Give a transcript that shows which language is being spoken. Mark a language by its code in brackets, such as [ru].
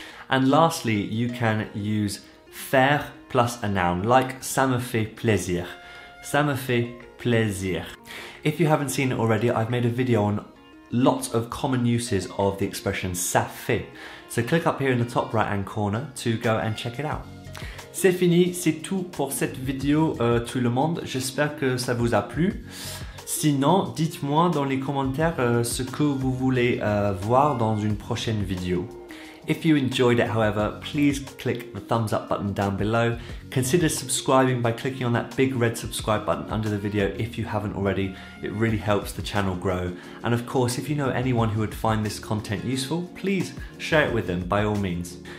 [en] And lastly, you can use faire plus a noun, like [fr] ça me fait plaisir. Ça me fait plaisir. [en] If you haven't seen it already, I've made a video on lots of common uses of the expression ça fait. So click up here in the top right hand corner to go and check it out. [fr] C'est fini, c'est tout pour cette vidéo tout le monde. J'espère que ça vous a plu. Sinon, dites-moi dans les commentaires ce que vous voulez voir dans une prochaine vidéo. [en] If you enjoyed it, however, please click the thumbs up button down below. Consider subscribing by clicking on that big red subscribe button under the video if you haven't already. It really helps the channel grow. And of course, if you know anyone who would find this content useful, please share it with them by all means.